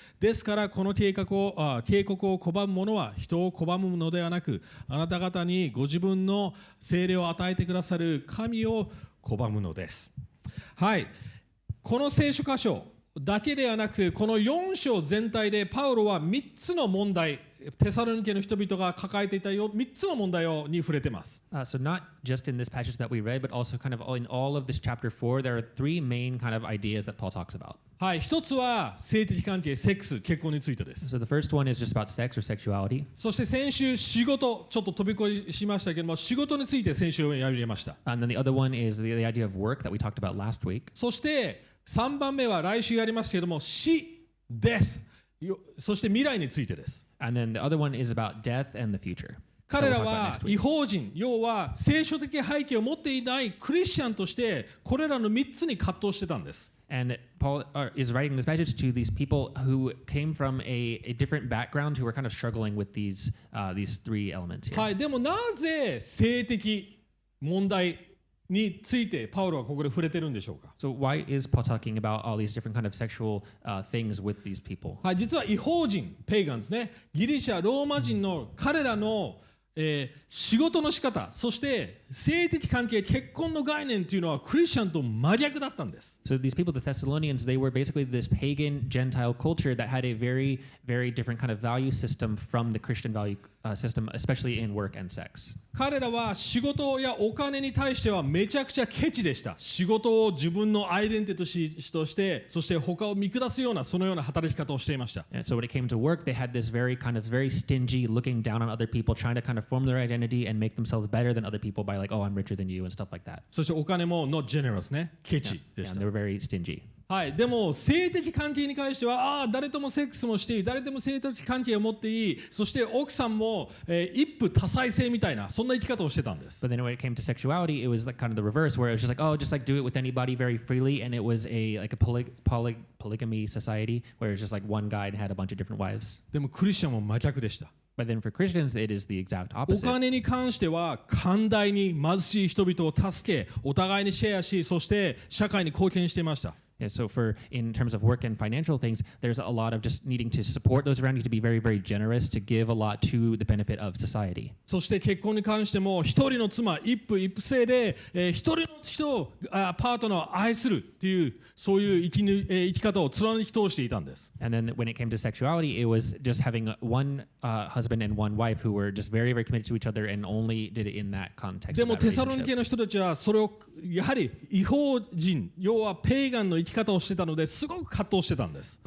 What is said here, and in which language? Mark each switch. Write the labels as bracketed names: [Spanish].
[Japanese] ですから、この警告を拒む者は、人を拒むのではなく、あなた方にご自分の聖霊を与えてくださる神を拒むのです。はい。この聖書箇所だけではなくて、この4章全体で、パウロは3つの問題、テサロニケの人々が抱えていたよ3つの問題に触れてます。 [English] So not just in this passage that we read, but also kind of in all of this chapter 4, there are three main kind of ideas that Paul talks about. [Japanese] はい、一つは性的関係、セックス、結婚についてです。 [English] So the first one is just about sex or sexuality. [Japanese] そして先週仕事、ちょっと飛び越しましたけども、仕事について先週やりました。 [English] And then the other one is the idea of work that we talked about last week. [Japanese] そして3番目は来週やりますけども、死、death、そして未来についてです。 [English] And then the other one is about death and the future. [Japanese] 彼らは異邦人、要は聖書的背景を持っていないクリスチャンとして、これらの3つに葛藤してたんです。 [English] And Paul is writing this message to these people who came from a different background who were kind of struggling with these three elements here. [Japanese] はい、でもなぜ性的問題についてパウロはここで触れてるんでしょうか。 [English] So why is Paul talking about all these different kind of sexual things with these people? [Japanese] はい、実は異邦人、ペイガンズね、ギリシャ、ローマ人の彼らの仕事の仕方、そして性的関係、結婚の概念というのはクリスチャンと真逆だったんです。 [English] So these people, the Thessalonians, they were basically this pagan Gentile culture that had a very, very different kind of value system from the Christian value system, especially in work and sex. [Japanese] 彼らは仕事やお金に対してはめちゃくちゃケチでした。仕事を自分のアイデンティティとして、そして他を見下すような、そのような働き方をしていました。 [English] And so when it came to work, they had this very kind of very stingy looking down on other people, trying to kind of form their identity and make themselves better than other people by like, oh, I'm richer than you and stuff like that. [Japanese] そしてお金も [English] not generous [Japanese] ね、ケチでした。 [English] Yeah, and they were very stingy. [Japanese] はい、でも性的関係に関しては、ああ、誰ともセックスもしていい、誰とも性的関係を持っていい、そして奥さんも、一夫多妻制みたいな、そんな生き方をしてたんです。 [English] But then when it came to sexuality, it was like kind of the reverse, where it was just like, oh, just like do it with anybody very freely, and it was a, like a polygamy society, where it was just like one guy and had a bunch of different wives. [Japanese] でもクリスチャンも真逆でした。 [English] But then for Christians, it is the exact opposite. [Japanese] お金に関しては寛大に貧しい人々を助け、お互いにシェアし、そして社会に貢献していました。 [English] Yeah, so for in terms of work and financial things, there's a lot of just needing to support those around you to be very, very generous to give a lot to the benefit of society. [Japanese] そして結婚に関しても一人の妻一夫一婦制で、一人の人をパートナーを愛するっていうそういう生き方を貫き通していたんです。 [English] And then when it came to sexuality, it was just having one husband and one wife who were just very, very committed to each other and only did it in that context. [Japanese] でもテサロニケの人たちはそれをやはり異邦人要はペーガンの生き方をしてたのですごく葛藤してたんです。